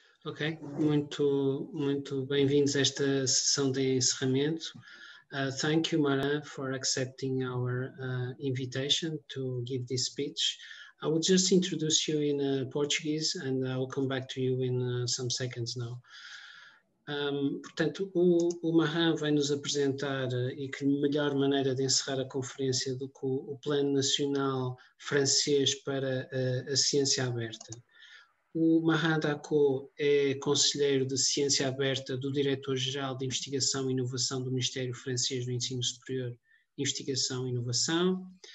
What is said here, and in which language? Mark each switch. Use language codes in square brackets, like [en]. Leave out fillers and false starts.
[pt] Ok, muito bem-vindos a esta sessão de encerramento. [en] Thank you, Mara, for accepting our invitation to give this speech. I will just introduce you in Portuguese and I'll come back to you in some seconds now. [pt] Portanto, o Mahan vai nos apresentar e que melhor maneira de encerrar a conferência do que o Plano Nacional Francês para a Ciência Aberta. O Mahan Dhakoh é conselheiro de Ciência Aberta do Diretor-Geral de Investigação e Inovação do Ministério Francês do Ensino Superior, Investigação e Inovação.